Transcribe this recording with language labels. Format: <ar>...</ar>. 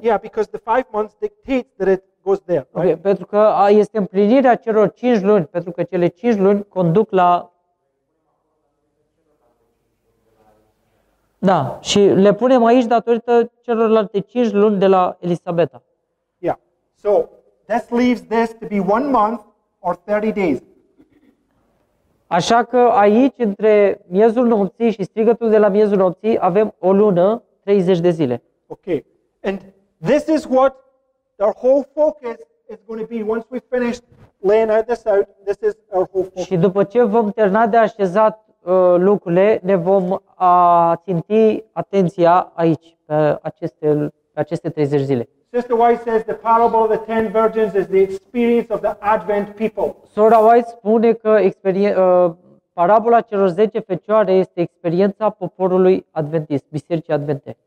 <en>Yeah, because the 5 months dictates that it goes there, right?</en> <ro>Okay, pentru că este împlinirea celor 5 luni, pentru că cele 5 luni conduc la. Da, și le punem aici datorită celorlalte 5 luni de la Elisabeta.</ro> <en>Yeah. So, this leaves this to be 1 month or 30 days.</en> <ro>Așa că aici, între miezul nopții și strigătul de la miezul nopții, avem o lună, 30 de zile.</ro> <en>Okay. And this is what our whole focus is going to be once we finish laying out this out. This is our whole focus.</en> <ro>Și după ce vom termina de așezat lucrurile, ne vom ținti atenția aici, pe aceste 30 zile.</ro> <en>Sister White says the parable of the 10 virgins is the experience of the Advent people.</en> <ro>Sora White spune că parabola celor 10 fecioare este experiența poporului adventist, bisericii advente.</ro>